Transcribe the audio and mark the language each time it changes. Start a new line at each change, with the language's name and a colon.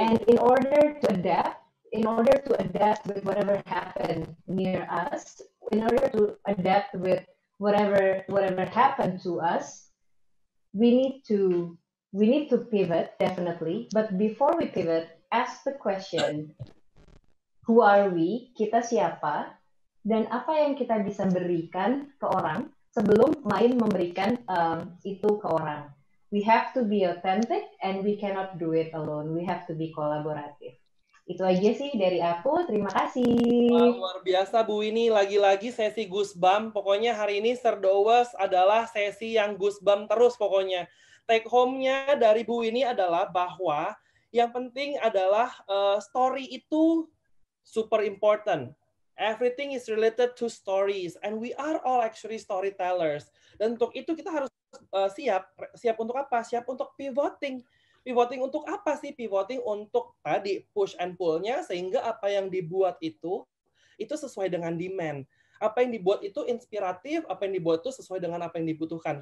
English: And in order to adapt, in order to adapt with whatever happened near us, in order to adapt with whatever happened to us, we need to pivot, definitely. But before we pivot, ask the question, who are we?
Indonesian: Kita siapa? Dan apa yang kita bisa berikan ke orang sebelum main memberikan itu ke orang?
English: We have to be authentic and we cannot do it alone. We have to be collaborative.
Indonesian: Itu aja sih dari aku. Terima kasih. Wow, luar biasa Bu Winnie. Lagi-lagi sesi goosebump. Pokoknya hari ini Serdowes adalah sesi yang goosebump terus pokoknya. Take home-nya dari Bu Winnie adalah bahwa yang penting adalah story itu
English: super important. Everything is related to stories and we are all actually storytellers.
Indonesian: Dan untuk itu kita harus siap untuk apa? Siap untuk pivoting. Pivoting untuk apa sih? Pivoting untuk tadi push and pull-nya sehingga apa yang dibuat itu sesuai dengan demand. Apa yang dibuat itu inspiratif, apa yang dibuat itu sesuai dengan apa yang dibutuhkan.